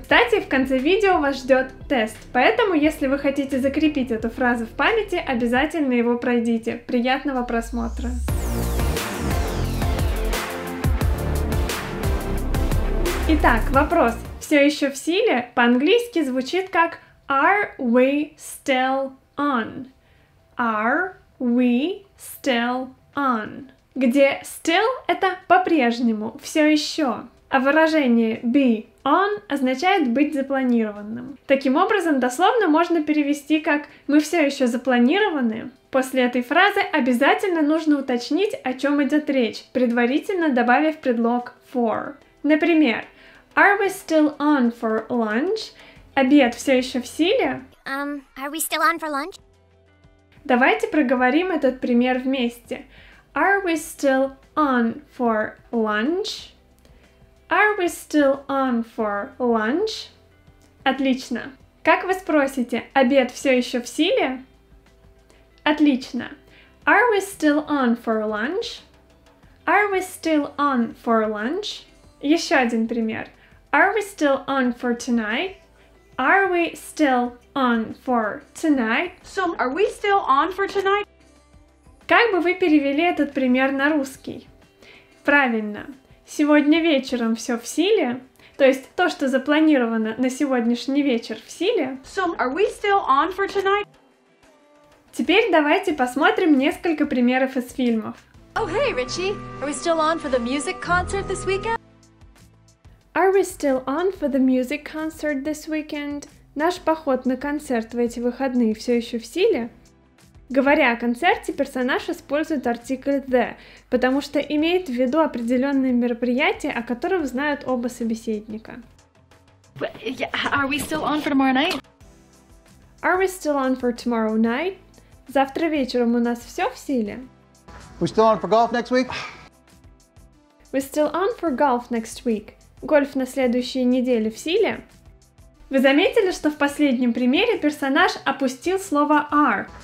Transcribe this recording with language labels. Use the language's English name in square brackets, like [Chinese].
[Russian] Кстати, в конце видео вас ждет тест, поэтому если вы хотите закрепить эту фразу в памяти, обязательно его пройдите. Приятного просмотра! Итак, вопрос «Все еще в силе?» по-английски звучит как [English] «Are we still on?» Are we still on? [Russian] Где still — это по-прежнему, все еще. А выражение be on означает быть запланированным. Таким образом, дословно можно перевести как «мы все еще запланированы». После этой фразы обязательно нужно уточнить, о чем идет речь, предварительно добавив предлог for. [English] Например, are we still on for lunch? [Russian] Обед все еще в силе? [English] Are we still on for lunch? [Russian] Давайте проговорим этот пример вместе. [English] Are we still on for lunch? Are we still on for lunch? [Russian] Отлично. Как вы спросите, обед все еще в силе? Отлично. [English] Are we still on for lunch? Are we still on for lunch? [Russian] Еще один пример. [English] Are we still on for tonight? Are we still on for tonight? So, are we still on for tonight? [Russian] Как бы вы перевели этот пример на русский? Правильно. Сегодня вечером все в силе, то есть то, что запланировано на сегодняшний вечер в силе. [English] So, are we still on for tonight? [Russian] Теперь давайте посмотрим несколько примеров из фильмов. [English] Oh, hey, Richie. Are we still on for the music concert this weekend? Are we still on for the music concert this weekend? [Russian] Наш поход на концерт в эти выходные все еще в силе? Говоря о концерте, персонаж использует артикль the, потому что имеет в виду определенные мероприятия, о котором знают оба собеседника. [English] Are we still on for tomorrow night? Are we still on for tomorrow night? [Russian] Завтра вечером у нас все в силе? [English] We still on for golf next week? We still on for golf next week? [Russian] Гольф на следующей неделе в силе? Вы заметили, что в последнем примере персонаж опустил слово are?